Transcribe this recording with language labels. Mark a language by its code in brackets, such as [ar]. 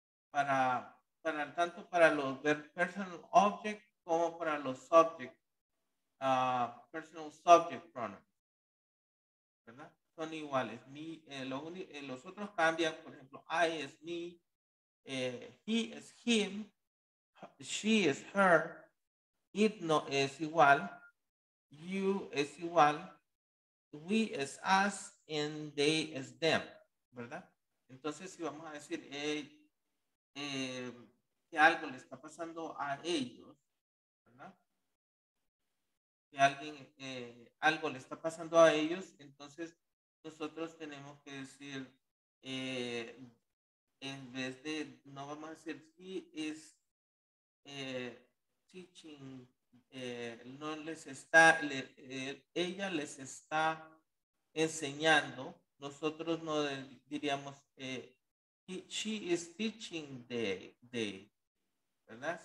[es] Para tanto para los personal object como para los subject, personal subject pronouns, ¿verdad? Son iguales. Los otros cambian, por ejemplo, [en] I is me. He is him, she is her, it [es] no es igual, [en] you es igual, we is us, and they is them, [es] ¿verdad? Entonces, si vamos a decir que algo le está pasando a ellos, ¿verdad? Que alguien, algo le está pasando a ellos, entonces nosotros tenemos que decir, en vez de, no vamos a decir, [en] he is teaching, [es] no les está, ella les está enseñando, nosotros no diríamos, [en] she is teaching they, [es] ¿verdad?